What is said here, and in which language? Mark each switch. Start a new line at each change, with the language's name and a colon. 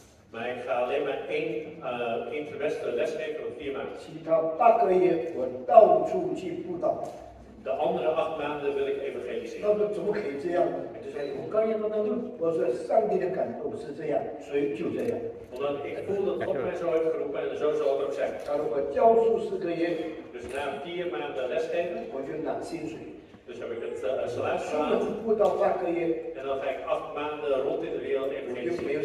Dutch: Maar ik ga alleen maar één trimester lesgeven van 4 maanden.
Chinese: 其他八个月我到处去布道。
Dutch: De andere 8 maanden wil ik evangeliseren.
Chinese: 那么怎么可以这样？就是我刚要到那里，我说上帝的感动是这样，所以就这样。
Dutch: Omdat ik voel dat God mij zo heeft geroepen en zo zal het ook zijn.
Chinese: 那么我教书四个月。
Dutch: Dus na 4 maanden lesgeven.
Chinese: 我就拿薪水。
Dutch: Dus heb ik het salaris gehaald. En dan ga ik 8 maanden rond in de wereld en geen